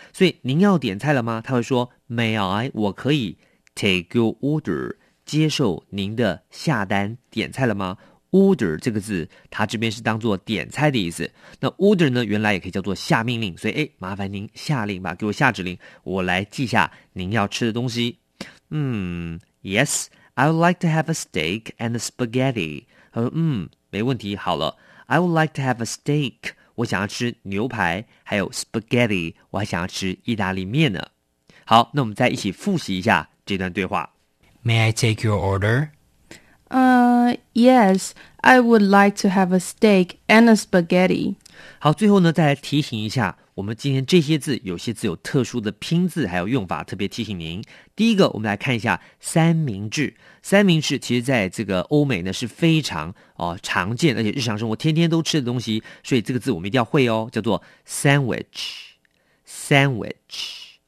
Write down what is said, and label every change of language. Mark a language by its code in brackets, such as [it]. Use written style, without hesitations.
[zh] 所以您要点菜了吗？他会说 , [en] May I, [zh] 我可以 [en] take your order, [zh] 接受您的下单，点菜了吗？ Order 这个字它这边是当作点菜的意思，那 order 呢原来也可以叫做下命令，所以麻烦您下令吧，给我下指令，我来记下您要吃的东西。 [en] Yes, I would like to have a steak and a spaghetti。 [zh] 没问题，好了， [en] I would like to have a steak， [zh] 我想要吃牛排，还有 spaghetti， 我还想要吃意大利面呢。好，那我们再一起复习一下这段对话。 [en] May I take your order? Yes, I would like to have a steak and a spaghetti. [zh] 好，最后呢，再来提醒一下，我们今天这些字，有些字有特殊的拼字还有用法，特别提醒您。第一个，我们来看一下三明治。三明治其实在这个欧美呢是非常常见，而且日常生活天天都吃的东西，所以这个字我们一定要会哦，叫做 sandwich, sandwich。